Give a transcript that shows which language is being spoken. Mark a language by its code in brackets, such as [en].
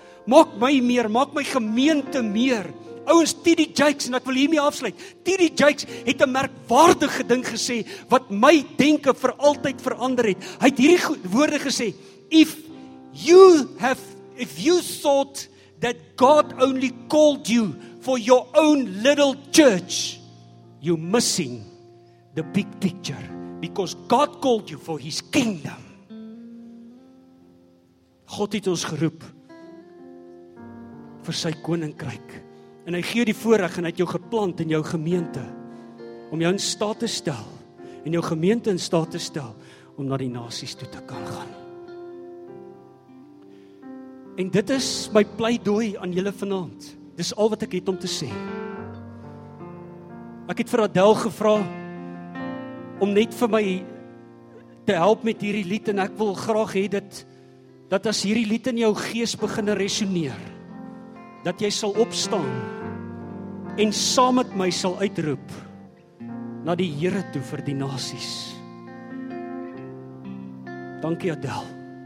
[af] Maak my meer, maak my gemeente meer. Ouens, T.D. Jakes, en ek wil hiermee afsluit, T.D. Jakes het 'n merkwaardige ding gesê, wat my denke vir altyd verander het. Hy het hierdie woorde gesê, [en] if you thought that God only called you for your own little church, you're missing the big picture, because God called you for his kingdom. [af] God het ons geroep vir sy koninkryk, en hy gee die voorreg, en hy het jou geplant in jou gemeente, om jou in staat te stel, en jou gemeente in staat te stel, om na die nasies toe te kan gaan. En dit is my pleidooi aan julle vanaand, dis al wat ek het om te sê. Ek het vir Adel gevra, om net vir my te help met hierdie lied, en ek wil graag hê dat as hierdie lied in jou gees begin resoneer, dat jy sal opstaan en saam met my sal uitroep na die Here toe vir die nasies. Dankie Adele.